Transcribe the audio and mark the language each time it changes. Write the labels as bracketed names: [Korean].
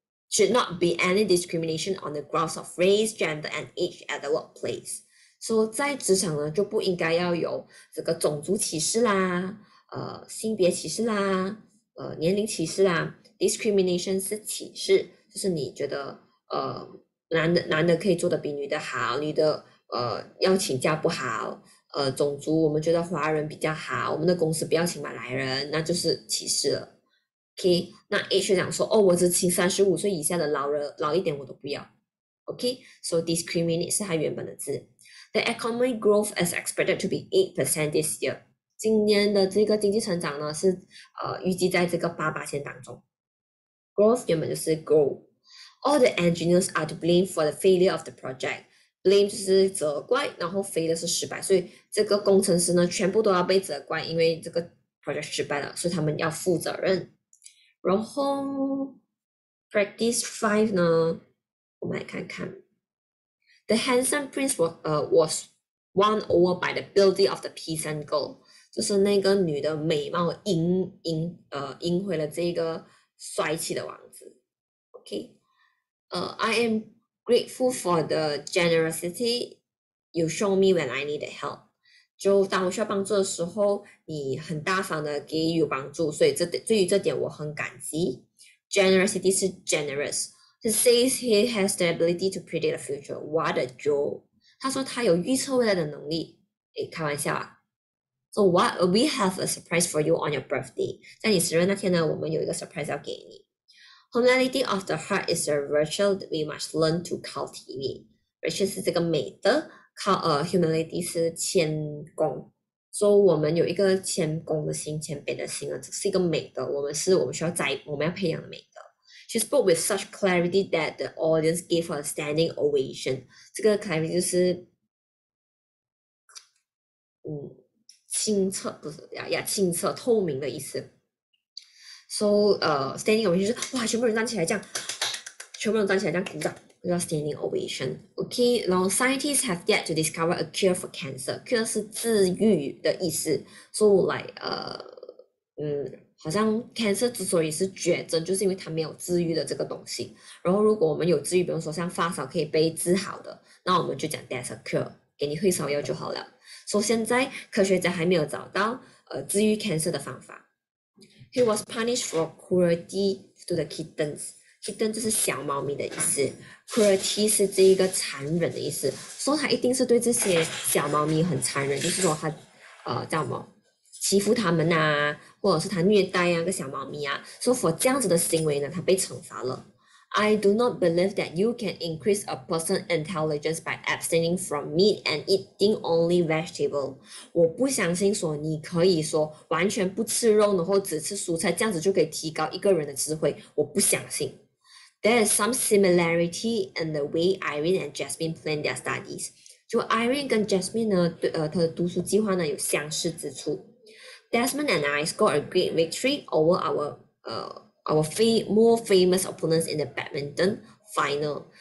[English] Should not be any discrimination on the grounds of race, gender, and age at the workplace. [Chinese] So 在职场呢，就不应该要有这个种族歧视啦，性别歧视啦，年龄歧视啦。 Discrimination 是歧视，就是你觉得男的可以做得比女的好，女的要请假不好，种族我们觉得华人比较好，我们的公司不要请马来人，那就是歧视了。 OK，那 H 讲说，哦，我只请35岁以下的老人，老一点我都不要。 OK，so discriminate 是它原本的字。 [English] The economic growth is expected to be 8% this year。 [Chinese] 今年的这个经济成长呢，是预计在这个8%当中。 Growth 原本就是 grow。 [English] All the engineers are to blame for the failure of the project。 [Chinese] Blame 就是责怪，然后 fail 是失败，所以这个工程师呢，全部都要被责怪，因为这个 project 失败了，所以他们要负责任。然后，Practice Five 呢？我们来看看， [English] The handsome prince was won over by the beauty of the peasant girl， [Chinese] 就是那个女的美貌赢回了这个帅气的王子。 [English] OK，I am grateful for the generosity you show me when I need help。 [Chinese] 就当我需要帮助的时候，你很大方的给予帮助，所以这对于这点我很感激。 [English] Generosity 是 generous，是 says he has the ability to predict the future. What a joke！ [Chinese] 他说他有预测未来的能力。诶，开玩笑啊。 [English] So what we have a surprise for you on your birthday？ [Chinese] 在你生日那天呢，我们有一个 surprise 要给你。 [English] Humility of the heart is a virtue we must learn to cultivate。 [Chinese] virtue 是这个美德。 humility 是谦恭，所以我们有一个谦恭的心，谦卑的心啊，这是一个美德，我们要培养的美德。 [English] She spoke with such clarity that the audience gave her a standing ovation。 [Chinese] 这个 clarity 就是，清澈，不是呀呀，清澈透明的意思。 So standing ovation 就是哇，全部人站起来这样鼓掌。 [English] Standing ovation. Okay, now scientists have yet to discover a cure for cancer. [Chinese] Cure 是治愈的意思。So like 好像 cancer 之所以是绝症，就是因为它没有治愈的这个东西。然后如果我们有治愈，比如说像发烧可以被治好的，那我们就讲 [English] that's a cure， [Chinese] 给你退烧药就好了。 So 现在科学家还没有找到治愈 cancer 的方法。 [English] He was punished for cruelty to the kittens. [Chinese] Kitten 就是小猫咪的意思，cruelty 是这一个残忍的意思，说他一定是对这些小猫咪很残忍，就是说他，叫什么，欺负他们呐、啊，或者是他虐待啊个小猫咪啊，说 for 这样子的行为呢，他被惩罚了。 [English] I do not believe that you can increase a person's intelligence by abstaining from meat and eating only vegetable。 [Chinese] 我不相信说你可以说完全不吃肉，然后只吃蔬菜，这样子就可以提高一个人的智慧。我不相信。 [English] There is some similarity in the way Irene and Jasmine plan their studies。 [Chinese] 就 Irene 跟 Jasmine 呢，对，她的读书计划呢有相似之处。 [English] Desmond and I scored a great victory over our more famous opponents in the badminton final。